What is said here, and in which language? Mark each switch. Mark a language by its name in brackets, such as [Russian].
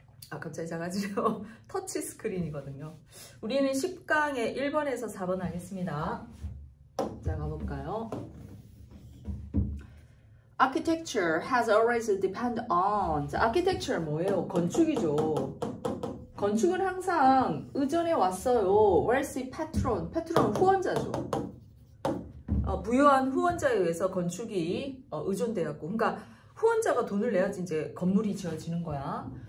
[Korean] 아, 갑자기 제가 지금 터치 스크린이거든요. 우리는 10강에 1번에서 4번 하겠습니다. 자, 가볼까요? [English] Architecture has always depend on. [Korean] 자, architecture 뭐예요? 건축이죠. 건축은 항상 의존해 왔어요. [English] Wealthy patron. [Korean] patron은 후원자죠. 부유한 후원자에 의해서 건축이 의존되었고, 그러니까 후원자가 돈을 내야지 이제 건물이 지어지는 거야.